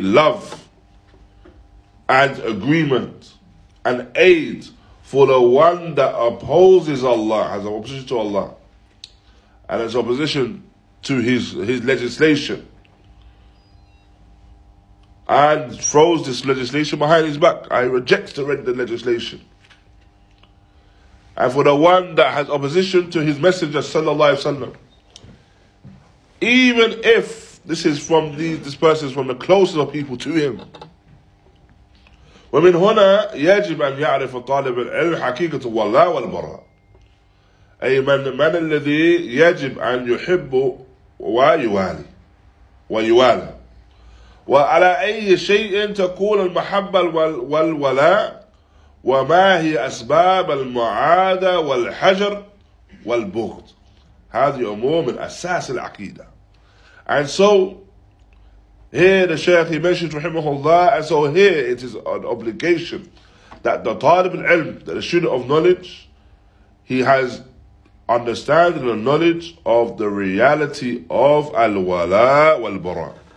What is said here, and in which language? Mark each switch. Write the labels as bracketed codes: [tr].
[en] love and agreement and aid for the one that opposes Allah, has an opposition to Allah and has opposition to his legislation and throws this legislation behind his back. I reject the legislation. And for the one that has opposition to his messenger, sallallahu alaihi wasallam, even if this is from this person is from the closest of people to him. [ar] ومن هنا يجب أن يعرف طالب العلم حقيقة الله والبراء. أي من الذي يجب أن يحب ويوالي ويوالى. وعلى أي شيء تكون المحبة والولاء وما هي أسباب المعادة والحجر والبغض هذه أمور من أساس العقيدة. [en] And so here the Shaykh he mentioned رحمه الله, and so here it is an obligation that the طالب العلم, that the student of knowledge, he has understanding the knowledge of the reality of الولاء والبراء.